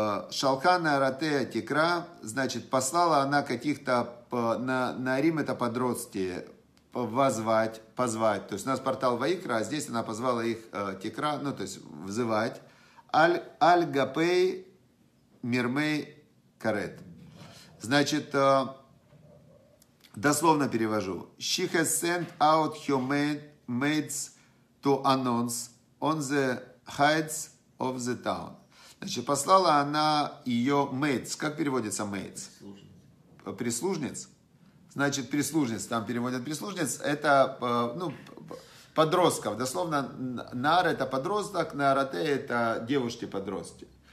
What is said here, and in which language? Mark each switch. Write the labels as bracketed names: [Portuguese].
[Hebrew] Шалхана Ратея Тикра, [Russian] значит, послала она каких-то, на Рим это подростки, позвать. То есть у нас портал Ваикра, а здесь она позвала их Тикра, ну то есть взывать. [Hebrew] Аль-Гапей Мирмей Карет. [Russian] Значит, дословно перевожу. [English] She has sent out her maids to announce on the heights of the town. [Russian] Значит, послала она ее maids. Как переводится maids? Прислужниц. Прислужниц? Значит, прислужниц. Там переводят прислужниц. Это, ну, подростков. Дословно, нар это подросток, нарате это девушки-подростки.